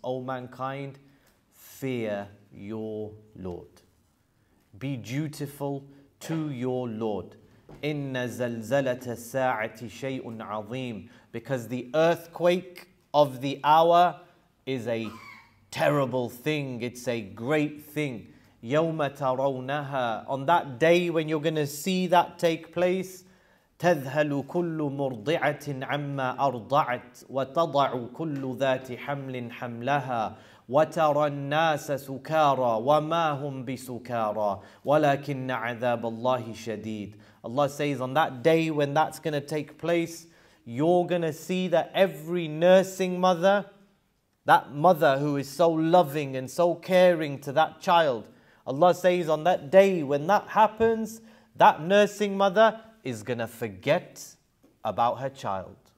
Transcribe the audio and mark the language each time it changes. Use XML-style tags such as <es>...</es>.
<en>O mankind, fear your Lord. Be dutiful to your Lord.</en> <ar>إِنَّ زَلْزَلَةَ السَّاعَةِ شَيْءٌ عَظِيمٌ.</ar> <en>Because the earthquake of the hour is a terrible thing. It's a great thing.</en> <ar>يَوْمَ تَرَوْنَهَا.</ar> <en>On that day when you're going to see that take place,</en> <ar>تَذْهَلُ كُلُّ مُرْضِعَةٍ عَمَّا أَرْضَعَتْ وَتَضَعُ كُلُّ ذَاتِ حَمْلٍ حَمْلَهَا وَتَرَى النَّاسَ سُكَارَى وَمَا هُمْ بِسُكَارَى وَلَكِنَّ عَذَابَ اللَّهِ شَدِيدٌ.</ar> <en>Allah says, on that day when that's going to take place, you're going to see that every nursing mother, that mother who is so loving and so caring to that child, Allah says, on that day when that happens, that nursing mother is going to forget about her child.</en>